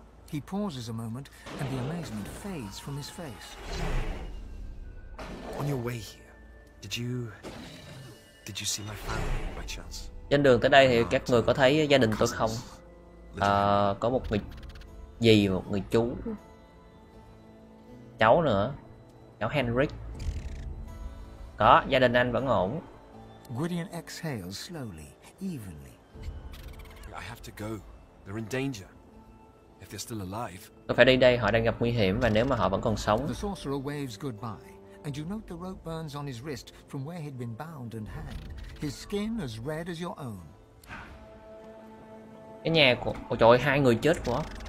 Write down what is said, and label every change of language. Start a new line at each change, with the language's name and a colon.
English: He pauses a moment and the amazement fades from his face. On your way here, did you see my family by chance?
Vietnamese: Trên đường tới đây thì các người có thấy gia đình tôi không? Có một người dì, một người chú. Cháu nữa. Cháu Henrik. Có, gia đình anh vẫn ổn.
English: Gwydion exhales slowly, evenly. I have to go. They're in danger. If they're still alive.
Vietnamese: Tôi phải đi đây, họ đang gặp nguy hiểm và nếu mà họ vẫn còn sống.
English: The sorcerer waves goodbye, and you note the rope burns on his wrist from where he'd been bound and hanged. His skin as red as your own.
Vietnamese: Cái nhà của, ôi trời, hai người chết quá.